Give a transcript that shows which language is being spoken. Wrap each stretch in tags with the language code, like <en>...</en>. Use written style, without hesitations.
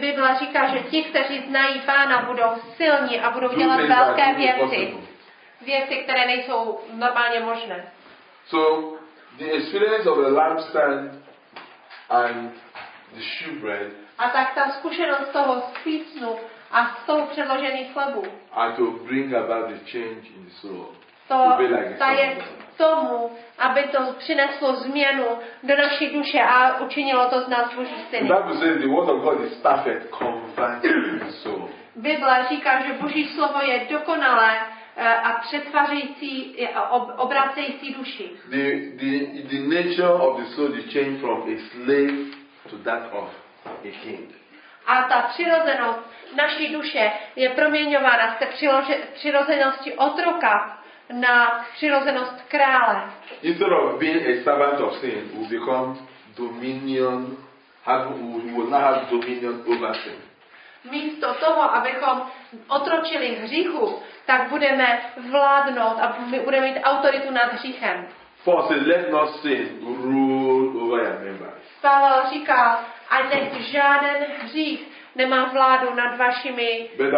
<cs>Bible říká, že ti, kteří znají Pána, budou silní a budou dělat velké věci. Věci, které nejsou normálně možné.</cs> <en>So the experience of the lampstand and the shewbread.</en> <cs>A tak ta zkušenost toho spícnu a z toho předložených chlebů.</cs> <en>And to bring about the change in the soul.</en> <cs>To je k tomu, aby to přineslo změnu do naší duše a učinilo to z nás Boží syny.</cs> <en>The Bible says the word of God is perfect, converting the soul.</en> <cs>Bible říká, že Boží slovo je dokonalé a přetvářející, obracející duši.</cs> <en>The nature of the soul is changed from a slave to that of a king.</en> <cs>A ta přirozenost naší duše je proměňována z té přirozenosti otroka na přirozenost krále.</cs> <en>Instead of being a servant of sin, we become dominion, have dominion over sin.</en> <cs>Místo toho, abychom otročili hříchu, tak budeme vládnout a budeme mít autoritu nad hříchem.</cs> <en>Paul says, let not sin rule over your members.</en> <cs>Pavel říká,</cs> <sk>a nech žáden hřích nemá vládu nad vašimi</sk>